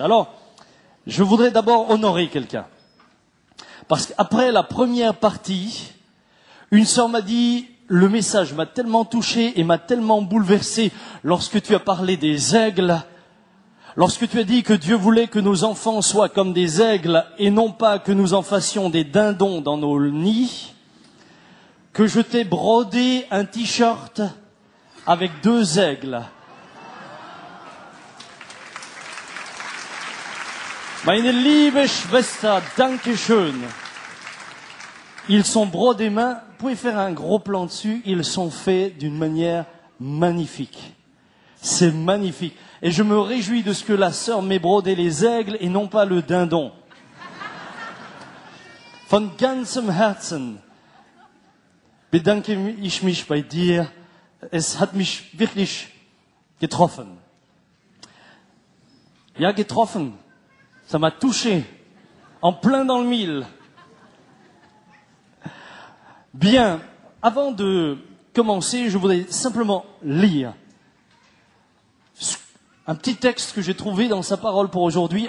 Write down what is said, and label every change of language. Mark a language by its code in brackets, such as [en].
[fr] Alors, je voudrais d'abord honorer quelqu'un. Parce qu'après la première partie, une sœur m'a dit, le message m'a tellement touché et m'a tellement bouleversé lorsque tu as parlé des aigles, lorsque tu as dit que Dieu voulait que nos enfants soient comme des aigles et non pas que nous en fassions des dindons dans nos nids, que je t'ai brodé un t-shirt avec deux aigles. [de] Meine liebe Schwester, danke schön. [fr] Ils sont brodés main. Vous pouvez faire un gros plan dessus. Ils sont faits d'une manière magnifique. C'est magnifique. Et je me réjouis de ce que la sœur m'ait brodé les aigles et non pas le dindon. [de] Von ganzem Herzen bedanke ich mich bei dir. Es hat mich wirklich getroffen. Ja, getroffen. [fr] Ça m'a touché, en plein dans le mille. Bien, avant de commencer, je voudrais simplement lire un petit texte que j'ai trouvé dans sa parole pour aujourd'hui.